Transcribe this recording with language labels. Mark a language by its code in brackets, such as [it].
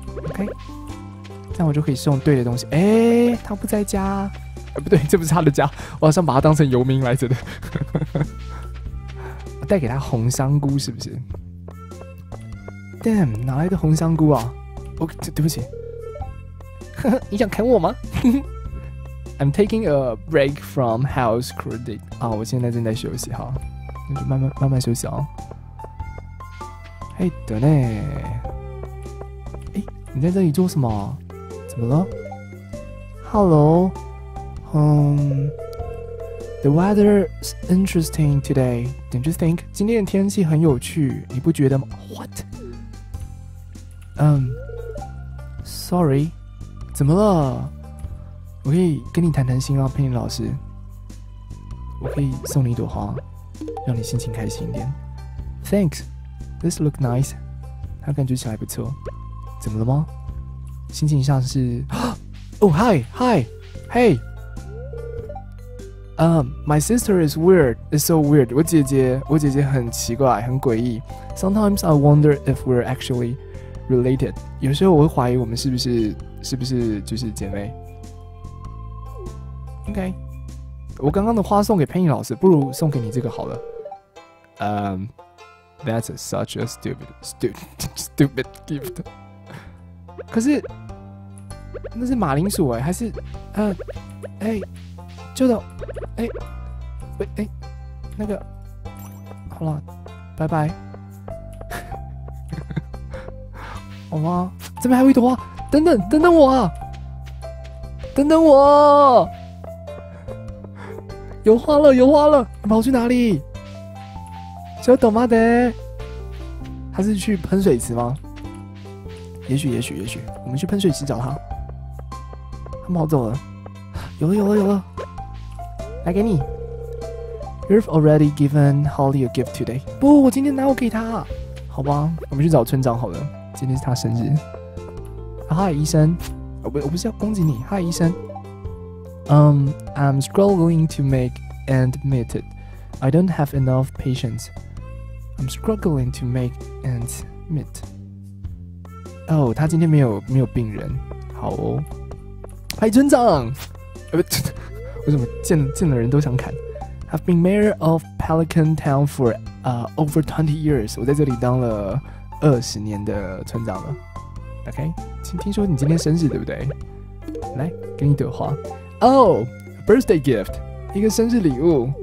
[zh] OK，这样我就可以送对的东西。欸，他不在家。不对，这不是他的家，我好像把他当成游民来着的。我带给他红香菇，是不是？Damn，哪来的红香菇啊？哦，对不起，你想砍我吗 ？ [en] I'm taking a break from house credit。 [zh] 啊，我现在正在休息哈，那就慢慢休息哦。嘿，德内，哎，你在这里做什么？怎么了？Hello。 [en] The weather's interesting today, don't you think? [zh] 今天的天气很有趣，你不觉得吗？What? Sorry，怎么了？我可以跟你谈谈心啊，佩妮老师。我可以送你一朵花，让你心情开心一点。 [en] Thanks，this look nice。 [zh] 它感觉起来不错。怎么了吗？心情上是， [en] Oh, hi, hi, hey. My sister is weird. It's so weird. [zh] 我姐姐很奇怪，很诡异。 [en] Sometimes I wonder if we're actually related. [zh] 有时候我会怀疑我们是不是就是姐妹。 OK，我刚刚的花送给 Penny 老师，不如送给你这个好了。 [en] That's such a stupid gift. [zh] 可是。那是马铃薯还是，就的，那个，好了，拜拜。好吗？这边还有一朵花，等等等等我啊，等等我，有花了有花了，你跑去哪里？小朵吗的？还是去喷水池吗？也许，我们去喷水池找他。他跑走了，有了，来给你。 [en] You've already given Holly a gift today。 [zh] 不，我今天拿我给他，好吧？我们去找村长好了，今天是他生日。 Hi，医生，我不是要攻击你。 Hi，医生。 [en] I'm struggling to make ends meet. I don't have enough patience. I'm struggling to make ends meet。 [zh] 哦，他今天没有病人，好哦。嗨，村长！我怎么见了人都想砍？ [en] I've been mayor of Pelican Town for over 20 years。 [zh] 我在这里当了20年的村长了。OK，听说你今天生日对不对？来，给你朵花。 [en] Oh，birthday gift， [zh] 一个生日礼物。